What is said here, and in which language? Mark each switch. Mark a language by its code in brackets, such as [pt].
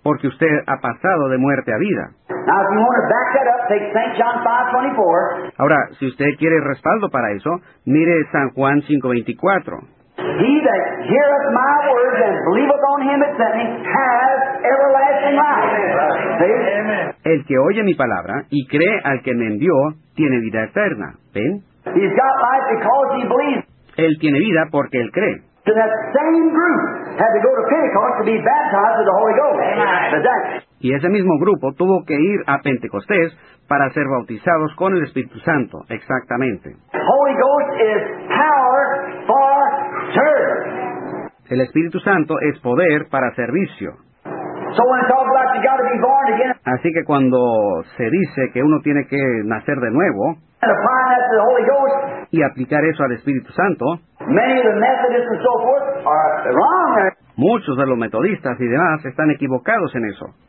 [es] Porque usted ha pasado de muerte a vida. [en] Now, if you want to back that up, take St. John 5:24. [es] Ahora, si usted quiere respaldo para eso, mire San Juan 5:24. [en] He that heareth my words and believeth on him that sent me has everlasting life. Amen. See? Amen. [es] El que oye mi palabra y cree al que me envió tiene vida eterna. ¿Ven? [en] He's got life because he believes. [es] Él tiene vida porque él cree. [en] So that same group had to go to Pentecost to be baptized with the Holy Ghost. Amen. [es] Y ese mismo grupo tuvo que ir a Pentecostés para ser bautizados con el Espíritu Santo, exactamente. [en] Holy Ghost is power for service. [es] El Espíritu Santo es poder para servicio. [en] So when it's all about, you gotta be born again. [es] Así que cuando se dice que uno tiene que nacer de nuevo [en] and apply that to the Holy Ghost, [es] y aplicar eso al Espíritu Santo, [en] many of the Methodists and so forth are wrong. [es] Muchos de los metodistas y demás están equivocados en eso.